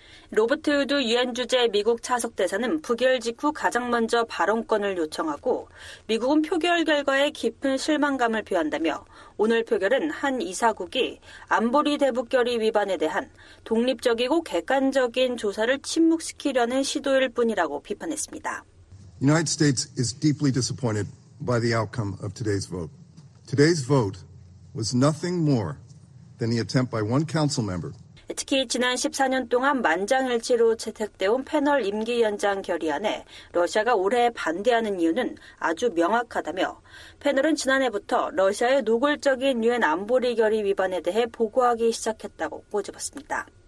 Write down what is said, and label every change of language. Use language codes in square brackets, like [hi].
[ko] 로버트 우드 유엔 주재 미국 차석 대사는 부결 직후 가장 먼저 발언권을 요청하고 미국은 표결 결과에 깊은 실망감을 표한다며 오늘 표결은 한 이사국이 안보리 대북 결의 위반에 대한 독립적이고 객관적인 조사를 침묵시키려는 시도일 뿐이라고 비판했습니다. [en] United States is deeply disappointed by the outcome of today's vote. Today's vote was nothing more than the attempt by one council member. [ko] 특히 지난 14년 동안 만장일치로 채택되어 온 패널 임기 연장 결의안에 러시아가 올해 반대하는 이유는 아주 명확하다며 패널은 지난해부터 러시아의 노골적인 유엔 안보리 결의 위반에 대해 보고하기 시작했다고 꼬집었습니다.